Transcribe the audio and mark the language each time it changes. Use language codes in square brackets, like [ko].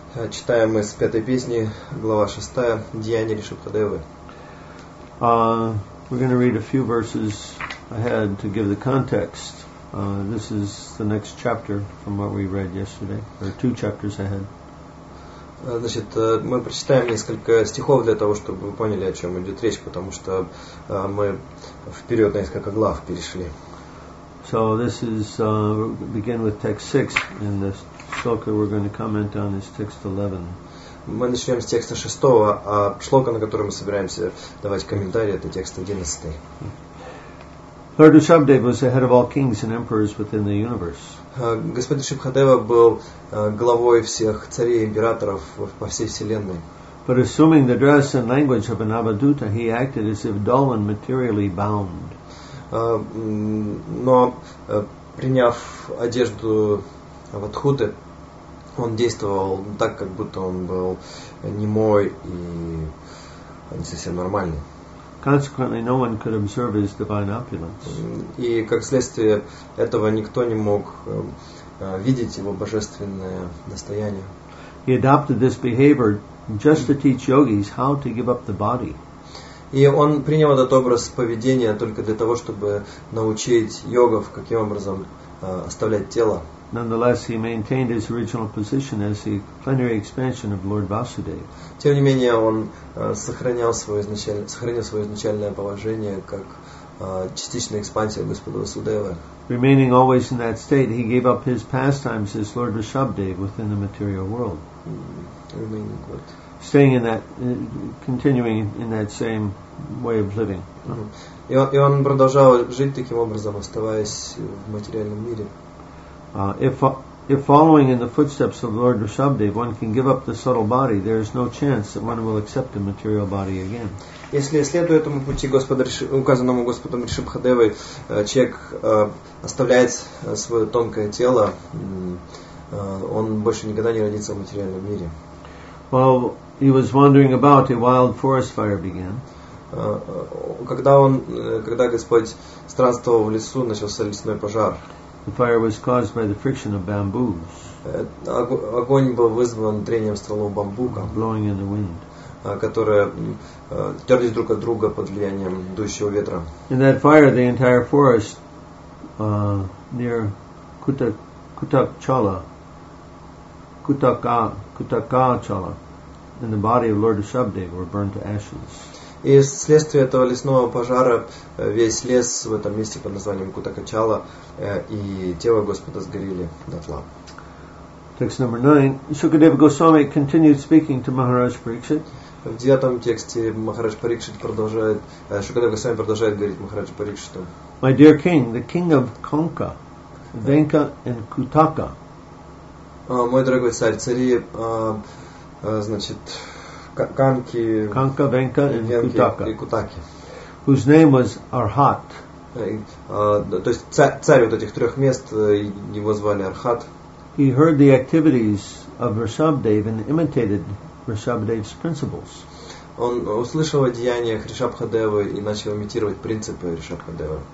[ru] Читаем мы с пятой песни, глава шестая, Деяния Ришабхадевы. [en] We're going to read a few verses ahead to give the context. This is the next chapter from what we read yesterday, or two chapters ahead. [ru] Значит, мы прочитаем несколько стихов для того, чтобы вы поняли, о чем идет речь, потому что мы вперед несколько глав перешли. [en] So this is begin with text 6, and the shloka we're going to comment on is text 11. [ru] Мы начнем с текста шестого, а шлока, на который мы собираемся давать комментарий, это текст 11. [en] Lord Rishabhdev was the head of all kings and emperors within the universe. [ru] Господь Ришабхадева был главой всех царей и императоров по всей вселенной. [en] But assuming the dress and language of an avaduta, he acted as if dull and materially bound. [ru] Но приняв одежду аватхуты, он действовал так, как будто он был немой и не совсем нормальный. [en] Consequently, no one could observe his divine opulence. [ru] И как следствие этого никто не мог видеть его божественное достояние. [en] He adopted this behavior just to teach yogis how to give up the body. [ru] И он принял этот образ поведения только для того, чтобы научить йогов, каким образом оставлять тело. [en] Nonetheless, he maintained his original position as the plenary expansion of Lord Vasudev. [ru] Тем не менее, он сохранил свое изначальное положение как частичная экспансия Господа Васудева. [en] Remaining always in that state, he gave up his pastimes as Lord Rishabhdev within the material world. Remaining what? Staying in that, continuing in that same way of living. [ru] И он продолжал жить таким образом, оставаясь в материальном мире. [en] If following in the footsteps of Lord Rishabhdev, one can give up the subtle body, there is no chance that one will accept a material body again. [ru] Если следуя этому пути указанному Господом Ришабхадевой, человек оставляет свое тонкое тело, он больше никогда не родится в материальном мире. [en] While he was wandering about, a wild forest fire began. [ru] Когда Господь странствовал в лесу, начался лесной пожар. [en] The fire was caused by the friction of bamboos. [ru] Огонь был вызван трением стволов бамбука. [en] Blowing in the wind. [ru] Которые терлись друг от друга под влиянием дующего ветра. [en] In that fire, the entire forest near Kutakachala, and the body of Lord Rishabhdev were burned to ashes. [ru] И вследствие этого лесного пожара весь лес в этом месте под названием Кутакачала и тело Господа сгорели дотла. [en] Text number 9. Shukadeva Goswami continued speaking to Maharaj Parikshit. [ru] В девятом тексте Махарадж Парикшит продолжает, Шукадева Госвами продолжает говорить Махараджу Парикшиту. [en] My dear king, the king of Konka, Venka and Kutaka. [ru] Мой дорогой царь, цари, значит, Kanka, [en] Venka, and Kutaka. [ru] И Кутаки. [en] Whose name was Arhat. [ru] То есть царь вот этих трех мест, его звали Arhat. [en] He heard the activities of Rishabhdev and imitated Rishabhdev's principles. [ru] Он услышал о деяниях Ришабхадевы и начал имитировать принципы Ришабхадевы.